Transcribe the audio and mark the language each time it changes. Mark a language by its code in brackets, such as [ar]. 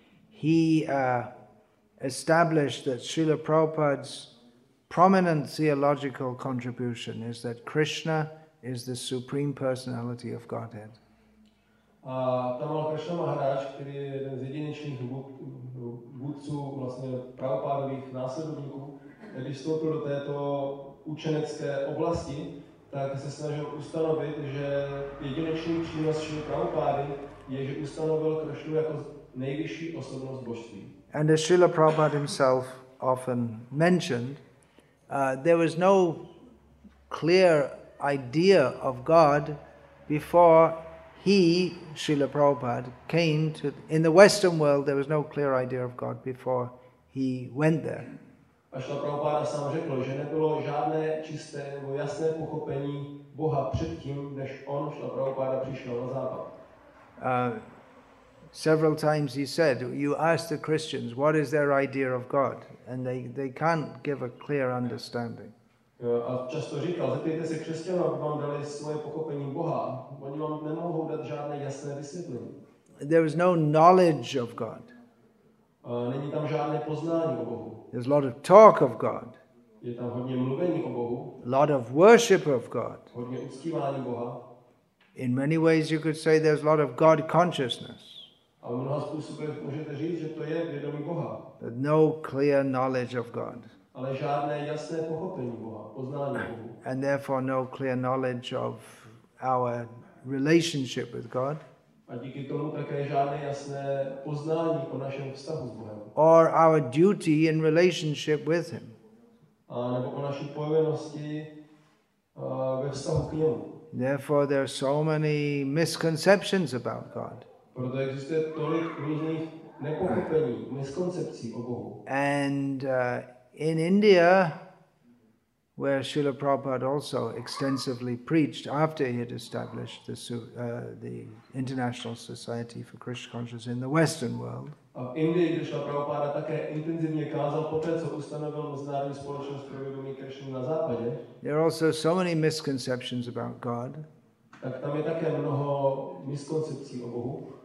[en] He established that Srila Prabhupada's prominent theological contribution is that Krishna is the Supreme Personality of Godhead. [cs] A tam byl Krishna Maharaj, který je jeden z jedinečných vůdců vlastně Prabhupádových následovníků, když vstoupil do této učenecké oblasti, tak se snažil ustanovit, že jedinečný přínos Šrily Prabhupády je, že ustanovil Krishnu jako nejvyšší osobnost božství. [en] And as Srila Prabhupada himself often mentioned, there was no clear idea of God before he, Srila Prabhupada, came to... In the Western world, there was no clear idea of God before he went there. [cs] A Srila Prabhupada sám řekl, že nebylo žádné čisté nebo jasné pochopení Boha předtím, než on, Srila Prabhupada, přišel na západ. [en] Several times he said, you ask the Christians, what is their idea of God? And they can't give a clear understanding. [cs] A často říkal, zeptejte se křesťanů, aby vám dali svoje pochopení Boha. Oni vám nemohou dát žádné jasné vysvětlení. [en] There is no knowledge of God. [cs] Není tam žádné poznání o Bohu. [en] There's a lot of talk of God. [cs] Je tam hodně mluvení o Bohu. [en] A lot of worship of God. [cs] Hodně uctívání Boha. [en] In many ways you could say there's a lot of God consciousness. [cs] A v mnoha způsobech můžete říct, že to je vědomí Boha. [en] But no clear knowledge of God. [cs] Ale žádné jasné pochopení Boha, poznání Bohu. [en] And therefore no clear knowledge of our relationship with God. [cs] A díky tomu také žádné jasné poznání o našem vztahu s Bohem. [en] Or our duty in relationship with Him. [cs] A nebo o naší povinnosti ve vztahu k němu. [en] Therefore there are so many misconceptions about God. [cs] Proto existuje tolik různých nepochopení, miskoncepcí o Bohu. [en] And in India, where Srila Prabhupada also extensively preached after he had established the International Society for Krishna Consciousness in the Western world. [cs] A v Indii, kde Srila Prabhupada také intenzivně kázal poté, co ustanovil Mezinárodní společnost pro vědomí Krishny na západě. [en] There are also so many misconceptions about God. [cs] Tak tam je také mnoho miskoncepcí o Bohu.